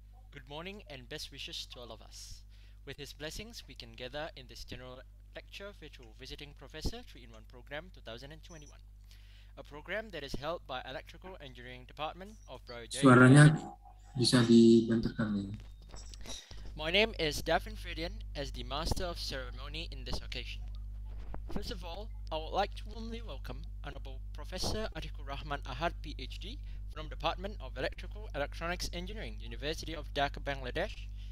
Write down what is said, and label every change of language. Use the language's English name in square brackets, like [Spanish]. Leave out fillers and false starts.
[English] Good morning and best wishes to all of us. With his blessings, we can gather in this general lecture virtual visiting professor 3-in-1 program 2021. A program that is held by Electrical Engineering Department of Brawijaya. [Indonesian] Suaranya bisa dibentukkan. [English] My name is Daphne Fridian as the Master of Ceremony in this occasion. First of all, I would like to warmly welcome Honorable Professor Atikur Rahman Ahad, PhD, from Department of Electrical Electronics Engineering, University of Dhaka, Bangladesh.